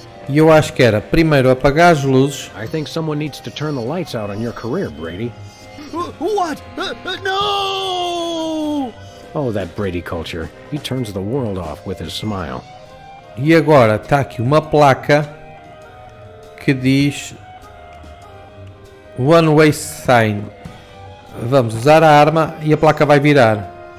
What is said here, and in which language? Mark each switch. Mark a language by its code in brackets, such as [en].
[pt] E eu acho que era primeiro apagar as luzes. [en] I think someone needs to turn the lights out on your career, Brady. What? No! Oh, that Brady culture. He turns the world off with his smile. [pt] E agora está aqui uma placa que diz One Way Sign. Vamos usar a arma e a placa vai virar.